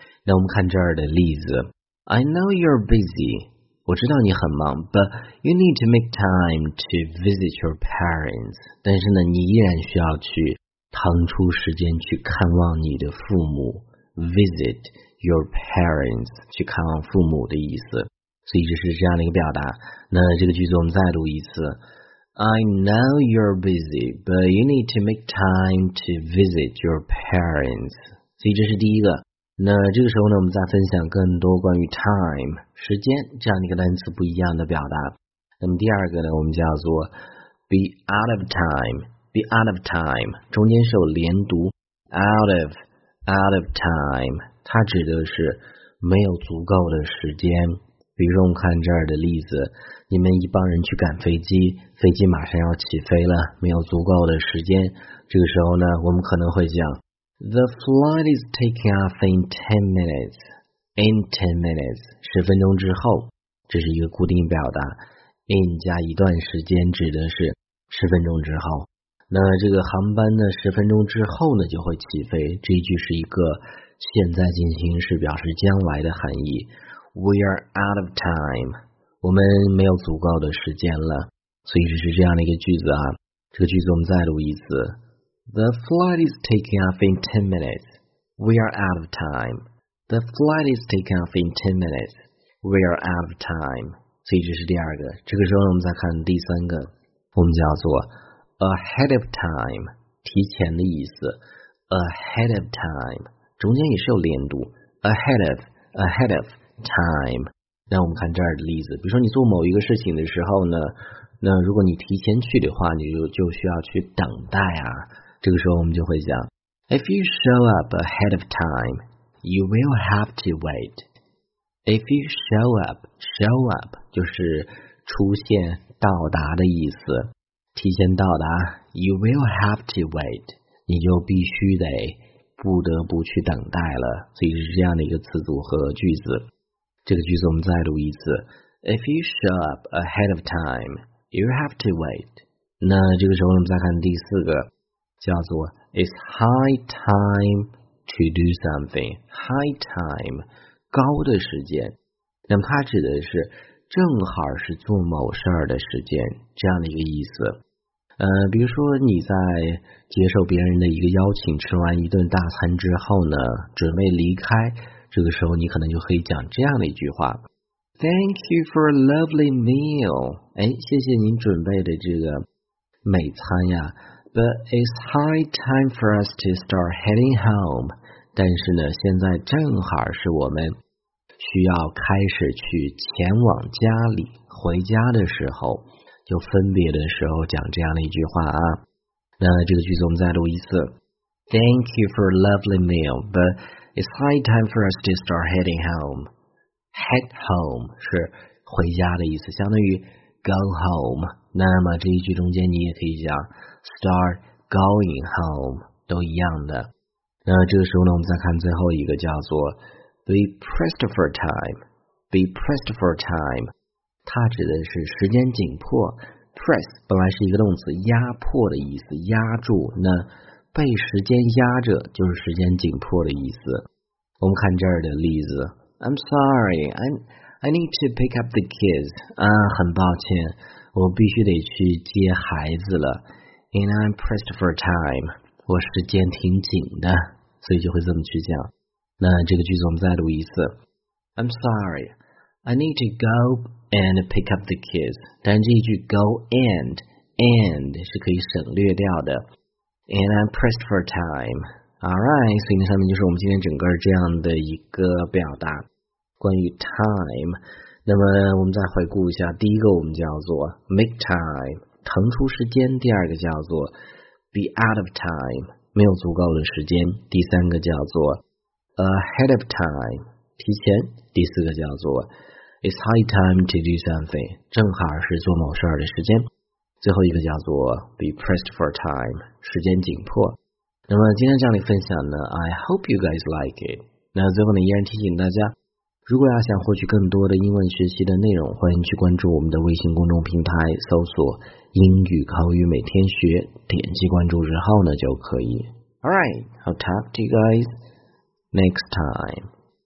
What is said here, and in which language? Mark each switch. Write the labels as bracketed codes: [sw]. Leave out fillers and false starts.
[zh] 那我们看这儿的例子， [en] I know you're busy， [zh] 我知道你很忙， [en] but you need to make time to visit your parents， [zh] 但是呢你依然需要去腾出时间去看望你的父母， [en] visit your parents， [zh] 去看望父母的意思。所以这是这样的一个表达。那这个句子我们再读一次， [en] I know you're busy but you need to make time to visit your parents。 [zh] 所以这是第一个。那这个时候呢，我们再分享更多关于 time 时间这样一个单词不一样的表达。那么第二个呢，我们叫做 [en] be out of time， [zh] be out of time， 中间是有连读 out of time， 它指的是没有足够的时间。比如说我们看这儿的例子，你们一帮人去赶飞机，飞机马上要起飞了，没有足够的时间。这个时候呢，我们可能会讲 [en] The flight is taking off in 10 minutes. In 10 minutes, [zh] 十分钟之后，这是一个固定表达。 In 加一段时间指的是十分钟之后。那这个航班呢，十分钟之后呢就会起飞。这一句是一个现在进行时，表示将来的含义。 [en] We are out of time. [zh] 我们没有足够的时间了。所以这是这样的一个句子啊。这个句子我们再读一次。 [en] The flight is taking off in 10 minutes. We are out of time. The flight is taking off in 10 minutes. We are out of time. [zh] 所以这是第二个。这个时候我们再看第三个，我们叫做 ahead of time， 提前的意思。 [en] Ahead of time， [zh] 中间也是有连读 [en] ahead of time。 [zh] 那我们看这儿的例子，比如说你做某一个事情的时候呢，那如果你提前去的话，你就需要去等待啊。这个时候我们就会讲 [en] If you show up ahead of time, you will have to wait. If you show up [zh] 就是出现到达的意思，提前到达， [en] you will have to wait， [zh] 你就必须得不得不去等待了。所以是这样的一个词组和句子。这个句子我们再读一次， [en] If you show up ahead of time, you have to wait。 [zh] 那这个时候我们再看第四个，叫做 [en] It's high time to do something. [zh] High time， 高的时间。那么它指的是正好是做某事儿的时间，这样的一个意思。比如说你在接受别人的一个邀请，吃完一顿大餐之后呢，准备离开，这个时候你可能就可以讲这样的一句话， [en] Thank you for a lovely meal. [zh] 哎，谢谢您准备的这个美餐呀。 [en] But it's high time for us to start heading home. [zh] 但是呢，现在正好是我们需要开始去前往家里，回家的时候，就分别的时候讲这样的一句话啊。那这个句子我们再读一次。 [en] Thank you for a lovely meal, but it's high time for us to start heading home. [zh] Head home 是回家的意思，相当于go home。那么这一句中间你也可以讲 start going home， 都一样的。那这个时候呢，我们再看最后一个，叫做 be pressed for time， be pressed for time， 它指的是时间紧迫。 press 本来是一个动词，压迫的意思，压住，那被时间压着就是时间紧迫的意思。我们看这儿的例子， [en] I'm sorry I need to pick up the kids. [zh] 很抱歉，我必须得去接孩子了。 [en] And I'm pressed for time. [zh] 我时间挺紧的，所以就会这么去讲。那这个句子我们再读一次。 [en] I'm sorry. I need to go and pick up the kids. [zh] 但这一句 go and 是可以省略掉的。 [en] And I'm pressed for time. [zh] Alright, 所以那上面就是我们今天整个这样的一个表达。关于 time， 那么我们再回顾一下，第一个我们叫做 make time， 腾出时间；第二个叫做 be out of time， 没有足够的时间；第三个叫做 ahead of time， 提前；第四个叫做 [en] It's high time to do something. [zh] 正好是做某事儿的时间。最后一个叫做 be pressed for time， 时间紧迫。那么今天这样的分享呢 [en] ，I hope you guys like it。 [zh] 那最后呢，依然提醒大家，如果要想获取更多的英文学习的内容，欢迎去关注我们的微信公众平台，搜索“英语口语每天学”，点击关注之后呢就可以。 [en] All right, I'll talk to you guys next time.